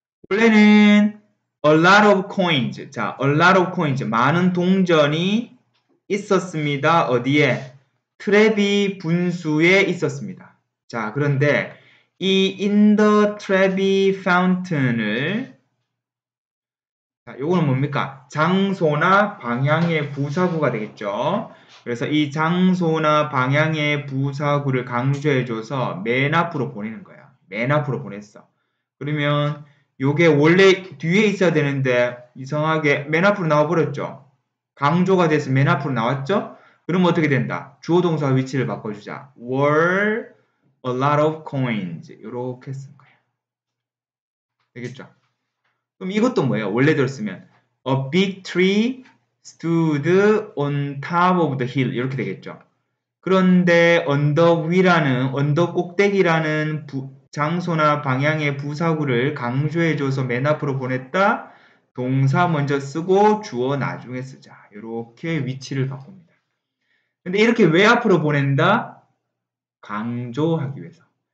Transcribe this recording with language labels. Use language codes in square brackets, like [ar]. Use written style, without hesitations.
[ko] 원래는 [en] a lot of coins. [ko] 자, [en] a lot of coins. [ko] 많은 동전이 있었습니다. 어디에? 트래비 분수에 있었습니다. 자, 그런데 이 [en] in the Trevi fountain [ko] 을 자, 요거는 뭡니까? 장소나 방향의 부사구가 되겠죠. 그래서 이 장소나 방향의 부사구를 강조해줘서 맨 앞으로 보내는 거야. 맨 앞으로 보냈어. 그러면 요게 원래 뒤에 있어야 되는데 이상하게 맨 앞으로 나와버렸죠? 강조가 돼서 맨 앞으로 나왔죠? 그럼 어떻게 된다? 주어 동사 위치를 바꿔주자. [en] Were a lot of coins. [ko] 이렇게 쓴 거야. 되겠죠? 그럼 이것도 뭐예요? 원래 들었으면 [en] A big tree stood on top of the hill. [ko] 이렇게 되겠죠? 그런데 언덕 위라는, 언덕 꼭대기라는 장소나 방향의 부사구를 강조해줘서 맨 앞으로 보냈다. 동사 먼저 쓰고 주어 나중에 쓰자. 이렇게 위치를 바꿉니다. 근데 이렇게 왜 앞으로 보낸다? 강조하기 위해서.